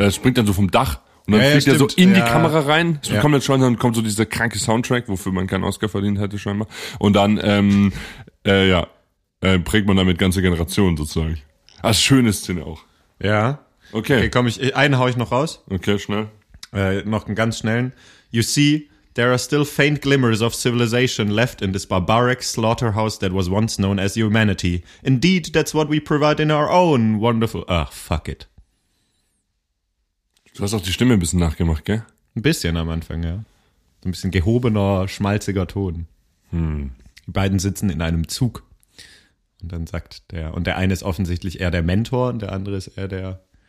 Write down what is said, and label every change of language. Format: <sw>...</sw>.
<de>Er springt dann so vom Dach und dann fliegt er so in die Kamera rein. Es bekommt dann schon, dann kommt so dieser kranke Soundtrack, wofür man keinen Oscar verdient hätte scheinbar. Und dann, prägt man damit ganze Generationen sozusagen. Ah, schöne Szene auch. Ja. Okay. Okay, komm, einen hau ich noch raus. Okay, schnell. Noch einen ganz schnellen.</de> <en>You see, there are still faint glimmers of civilization left in this barbaric slaughterhouse that was once known as humanity. Indeed, that's what we provide in our own wonderful.</en> <de>Ach,</de> <en>fuck it.</en> <de>Du hast auch die Stimme ein bisschen nachgemacht, gell? Ein bisschen am Anfang, ja. So ein bisschen gehobener, schmalziger Ton. Hm. Die beiden sitzen in einem Zug. Und dann sagt der, und der eine ist offensichtlich eher der Mentor und der andere ist eher der.</de>